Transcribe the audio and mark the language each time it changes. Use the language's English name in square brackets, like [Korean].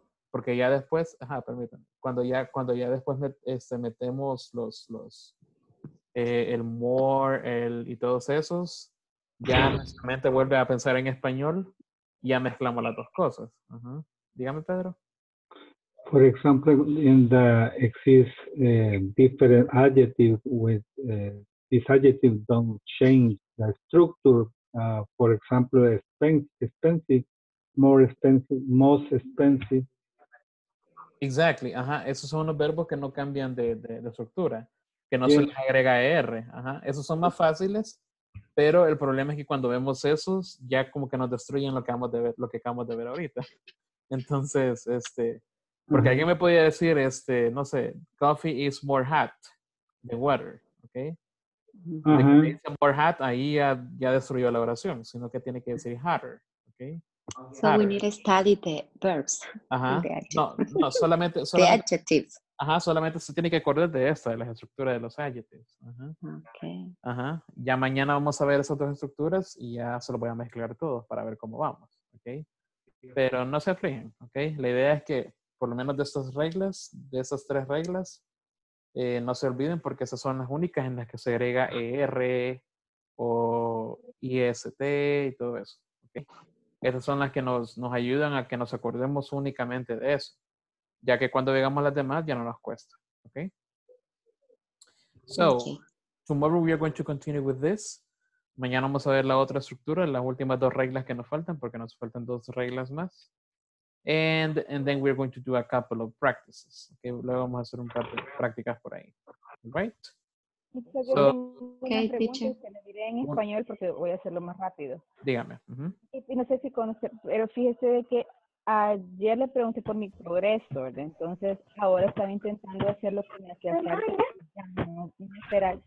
[Spanish] Porque ya después, ajá, permítanme, cuando ya después metemos el more, y todos esos, ya nuestra mente vuelve a pensar en español y ya mezclamos las dos cosas. Uh-huh. Dígame, Pedro. [English] For example, in the exist different adjectives with these adjectives don't change the structure. For example, expensive, more expensive, most expensive. [Spanish] Exactly. Ajá. Esos son los verbos que no cambian de estructura, que no, yes, se les agrega ER. Ajá. Esos son más fáciles, pero el problema es que cuando vemos esos, ya como que nos destruyen lo que acabamos de ver ahorita. Entonces, porque alguien me podía decir, no sé, [English] coffee is more hot than water, [Spanish] ¿ok? Uh-huh. Dice more hot, ahí ya destruyó la oración, sino que tiene que decir hotter, ¿ok? [English] So hotter. We need to study the verbs. [Spanish] Ajá. No, solamente. [English] The adjectives. [Spanish] Ajá, solamente se tiene que acordar de esta, de las estructuras de los adjectives. Ajá. [English] Okay. [Spanish] Ajá. Ya mañana vamos a ver esas otras estructuras y ya se lo voy a mezclar todos para ver cómo vamos, ¿ok? Pero no se afligen, ¿ok? La idea es que, por lo menos de estas reglas, de esas tres reglas, no se olviden, porque esas son las únicas en las que se agrega ER o IST y todo eso. ¿Okay? Esas son las que nos ayudan a que nos acordemos únicamente de eso, ya que cuando llegamos a las demás ya no nos cuesta. ¿Okay? [English] So, tomorrow we are going to continue with this. [Spanish] Mañana vamos a ver la otra estructura, las últimas dos reglas que nos faltan, porque nos faltan dos reglas más. [English] And then we're going to do a couple of practices. [Spanish] Okay, luego vamos a hacer un par de prácticas por ahí. [English] Right? So, okay, teacher. [Spanish] Se le diré en español porque voy a hacerlo más rápido. Dígame. Y no sé si conoce, pero fíjese de que ayer le pregunté por mi progreso, ¿verdad? Entonces ahora estaba intentando hacer lo que me hacía falta.